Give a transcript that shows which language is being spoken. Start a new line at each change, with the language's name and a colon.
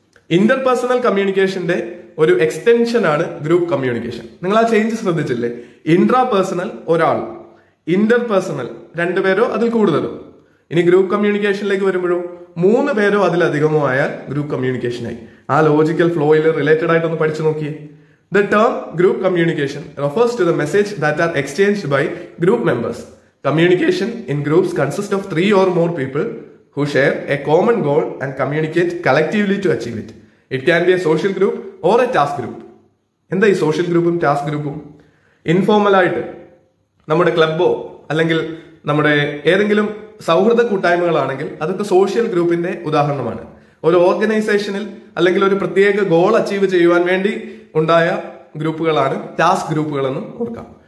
Malayalam: Interpersonal കമ്മ്യൂണിക്കേഷന്റെ ഒരു extension ആണ് group communication. നിങ്ങൾ ആ ചേഞ്ച് ശ്രദ്ധിച്ചില്ലേ? ഇൻട്രാപേഴ്സണൽ ഒരാൾ, ഇന്റർപേഴ്സണൽ രണ്ടുപേരോ അതിൽ കൂടുതലോ, ഇനി ഗ്രൂപ്പ് കമ്മ്യൂണിക്കേഷനിലേക്ക് വരുമ്പോഴോ മൂന്ന് പേരോ അതിലധികമോ ആയാൽ ഗ്രൂപ്പ് കമ്മ്യൂണിക്കേഷനായി. ആ ലോജിക്കൽ ഫ്ലോയിൽ റിലേറ്റഡ് ആയിട്ടൊന്ന് പഠിച്ചു നോക്കിയേ.
English: The term group communication refers to the message that are exchanged by group members. Communication in groups consists of three or more people who share a common goal and communicate collectively to achieve it. It can be a social group or a task group.
Malayalam: എന്താ ഈ social ഗ്രൂപ്പും task ഗ്രൂപ്പും? Informal ആയിട്ട് നമ്മുടെ ക്ലബോ അല്ലെങ്കിൽ നമ്മുടെ ഏതെങ്കിലും സൗഹൃദ കൂട്ടായ്മകളാണെങ്കിൽ അതൊക്കെ സോഷ്യൽ ഗ്രൂപ്പിന്റെ ഉദാഹരണമാണ്. ഒരു ഓർഗനൈസേഷനിൽ അല്ലെങ്കിൽ ഒരു പ്രത്യേക ഗോൾ അച്ചീവ് ചെയ്യുവാൻ വേണ്ടി ഉണ്ടായ ഗ്രൂപ്പുകളാണ് ടാസ്ക് ഗ്രൂപ്പുകളെന്ന് ഓർക്കാം.